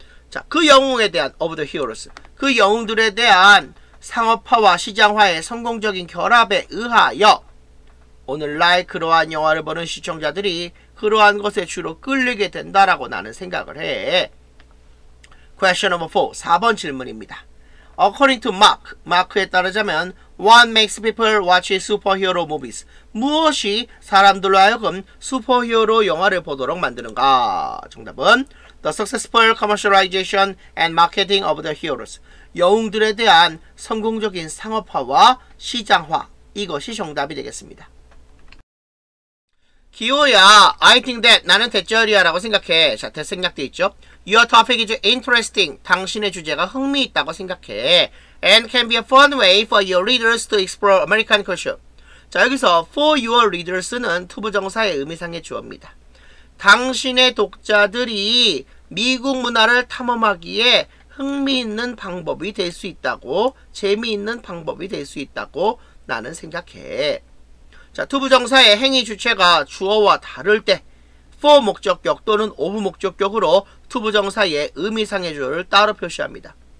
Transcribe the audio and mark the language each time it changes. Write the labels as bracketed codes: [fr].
[ko] 자, 그 영웅에 대한 [en] of the heroes, [ko] 그 영웅들에 대한 상업화와 시장화의 성공적인 결합에 의하여 오늘날 그러한 영화를 보는 시청자들이 그러한 것에 주로 끌리게 된다라고 나는 생각을 해. [en] Question number 4, [ko] 4번 질문입니다. [en] According to Mark, [ko] 마크에 따르자면 [en] What makes people watch superhero movies? [ko] 무엇이 사람들로 하여금 슈퍼히어로 영화를 보도록 만드는가? 정답은 [en] The successful commercialization and marketing of the heroes. [ko] 영웅들에 대한 성공적인 상업화와 시장화. 이것이 정답이 되겠습니다. 기호야, [en] I think that [ko] 나는 대절이야 라고 생각해. 자, 대생략돼 있죠. [en] Your topic is interesting. [ko] 당신의 주제가 흥미있다고 생각해. [en] And can be a fun way for your readers to explore American culture. [ko] 자, 여기서 [en] for your readers [ko] 는 투부정사의 의미상의 주어입니다. 당신의 독자들이 미국 문화를 탐험하기에 흥미있는 방법이 될 수 있다고, 재미있는 방법이 될 수 있다고 나는 생각해. 자, 투부정사의 행위 주체가 주어와 다를 때 for 목적격 또는 of 목적격으로 투부정사의 의미상의 주어를 따로 표시합니다.